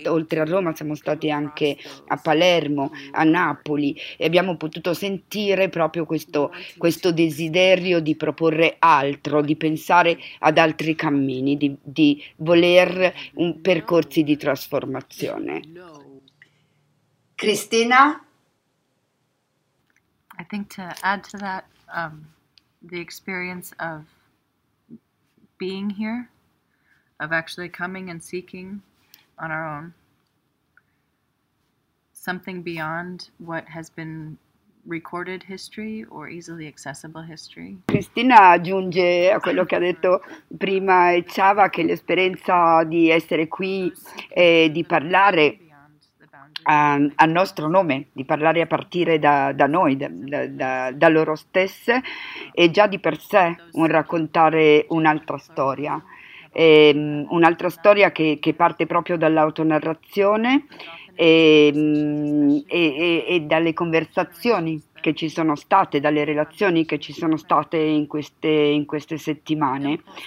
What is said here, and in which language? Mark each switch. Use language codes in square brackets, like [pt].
[it] Oltre a Roma siamo stati anche a Palermo, a Napoli, e abbiamo potuto sentire proprio questo desiderio di proporre altro, di pensare ad altri cammini, di voler percorsi di trasformazione. Cristina? [en] I think to add to that the experience of being here, of actually coming and seeking on our own, something beyond what has been recorded history or easily accessible history. [it] Cristina aggiunge a quello che ha detto prima Chava, che l'esperienza di essere qui e di parlare a nostro nome, di parlare a partire da noi, da loro stesse, è già di per sé un raccontare un'altra storia, un'altra storia che parte proprio dall'autonarrazione e dalle conversazioni che ci sono state, dalle relazioni che ci sono state in queste settimane.